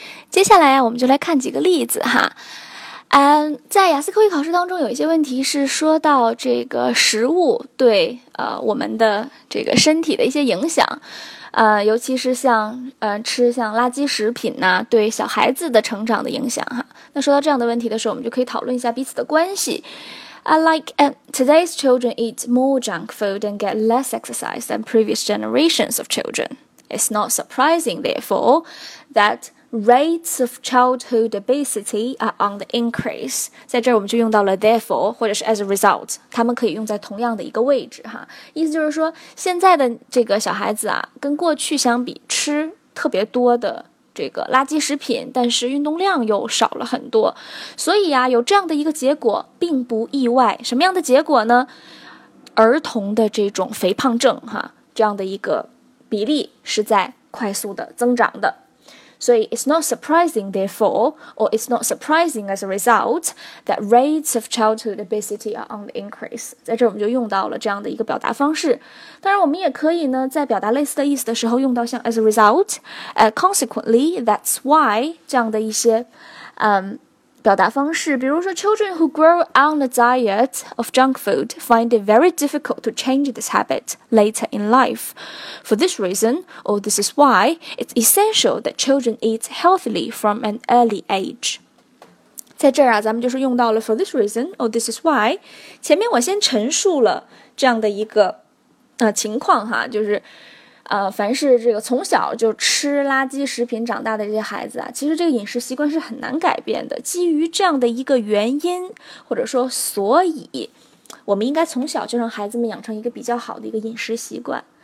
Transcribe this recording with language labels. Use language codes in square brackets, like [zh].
[zh] 接下来啊，我们就来看几个例子哈。在雅思口语考试当中有一些问题是说到这个食物对我们的这个身体的一些影响，尤其是像吃像垃圾食品呐、对小孩子的成长的影响哈。那说到这样的问题的时候，我们就可以讨论一下彼此的关系。 [en] Today's children eat more junk food and get less exercise than previous generations of children. It's not surprising, therefore, that rates of childhood obesity are on the increase. [zh] 在这儿我们就用到了 therefore 或者是 [en] as a result， [zh] 它们可以用在同样的一个位置哈。意思就是说，现在的这个小孩子啊，跟过去相比，吃特别多的这个垃圾食品，但是运动量又少了很多，所以啊，有这样的一个结果并不意外。什么样的结果呢？儿童的这种肥胖症哈，这样的一个比例是在快速的增长的。所以 [en] it's not surprising therefore, or it's not surprising as a result, that rates of childhood obesity are on the increase. [zh] 在这我们就用到了这样的一个表达方式。当然我们也可以呢，在表达类似的意思的时候用到像 [en] as a result, consequently, that's why, [zh] 这样的一些表达方式。比如说 [en] children who grow on a diet of junk food find it very difficult to change this habit later in life. For this reason, or this is why, it's essential that children eat healthily from an early age. [zh] 在这儿啊，咱们就是用到了 [en] for this reason, or this is why. [zh] 前面我先陈述了这样的一个情况哈，就是凡是这个从小就吃垃圾食品长大的这些孩子啊，其实这个饮食习惯是很难改变的。基于这样的一个原因，或者说所以，我们应该从小就让孩子们养成一个比较好的一个饮食习惯。